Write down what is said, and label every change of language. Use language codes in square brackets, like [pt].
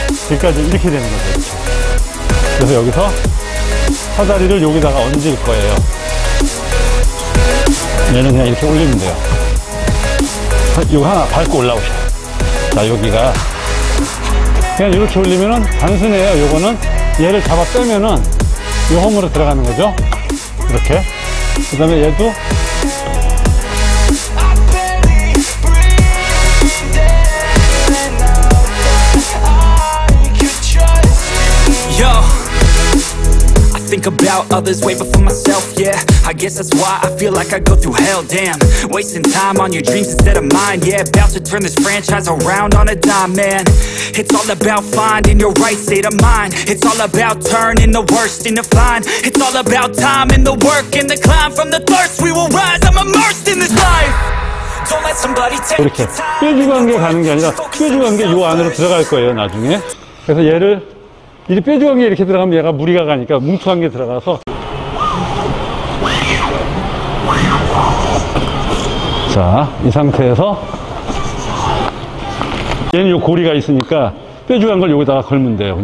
[ko] 여기까지 이렇게 되는 거죠. 그래서 여기서 사다리를 여기다가 얹을 거예요. 얘는 그냥 이렇게 올리면 돼요. 이거 하나 밟고 올라오시죠. 자, 여기가. 그냥 이렇게 올리면은 단순해요. 요거는 얘를 잡아 빼면은 요 홈으로 들어가는 거죠. 이렇게. 그 다음에 얘도 [en] Think about others way before myself, yeah. I guess that's why I feel like I go through hell, damn. Wasting time on your dreams instead of mine, yeah. About to turn this franchise around on a dime, man. It's all about finding your right state of mind. It's all about turning the worst into fine. It's all about time and the work and the climb. From the thirst we will rise, I'm immersed in this life. Don't let somebody take your time. [ko] 이렇게 뾰족한 게 가는 게 아니라 뾰족한 게 요 안으로 들어갈 거예요, 나중에. 그래서 얘를 이렇게 뾰족한 게 이렇게 들어가면 얘가 무리가 가니까 뭉툭한 게 들어가서 자, 이 상태에서 얘는 요 고리가 있으니까 뾰족한 걸 여기다가 걸면 돼요.